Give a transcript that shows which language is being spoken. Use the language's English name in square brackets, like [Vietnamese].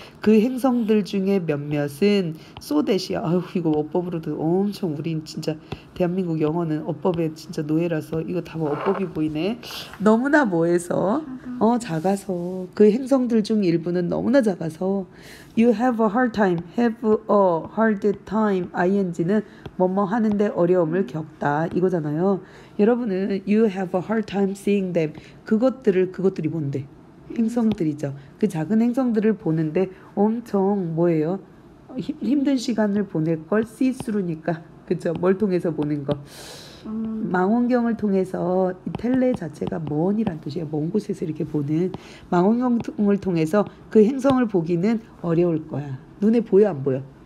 [Korean] 그 행성들 중에 몇몇은 [English] so that [Korean] 이, 아유, 이거 어법으로도 엄청 우린 진짜 대한민국 영어는 어법에 진짜 노예라서 이거 다 어법이 보이네. 너무나 뭐해서? 작아서. 그 행성들 중 일부는 너무나 작아서. [English] You have a hard time. Have a hard time. [Korean] ing는 뭐뭐 하는데 어려움을 겪다. 이거잖아요. 여러분은 [English] you have a hard time seeing them. [Korean] 그것들이 뭔데? 행성들이죠. 그 작은 행성들을 보는데 엄청 뭐예요? 힘든 시간을 보낼 걸 see through니까. 그죠? 뭘 통해서 보는 거? 망원경을 통해서 이 텔레 자체가 먼이란 뜻이에요. 먼 곳에서 이렇게 보는 망원경을 통해서 그 행성을 보기는 어려울 거야. 눈에 보여 안 보여?